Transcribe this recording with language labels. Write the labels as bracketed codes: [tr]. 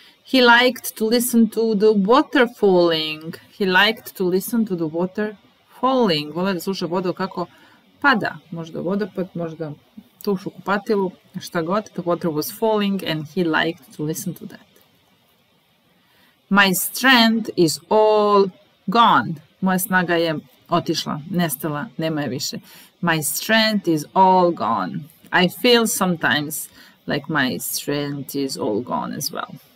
[en] He liked to listen to the water falling. He liked to listen to the water falling. [sr] Vole da sluša vodu kako pada. Možda vodopad, možda tuš u kupatilu, šta god. [en] The water was falling and he liked to listen to that. My strength is all gone. [sr] Moja snaga je otišla, nestala, nema je više. [en] My strength is all gone. I feel sometimes like my strength is all gone as well.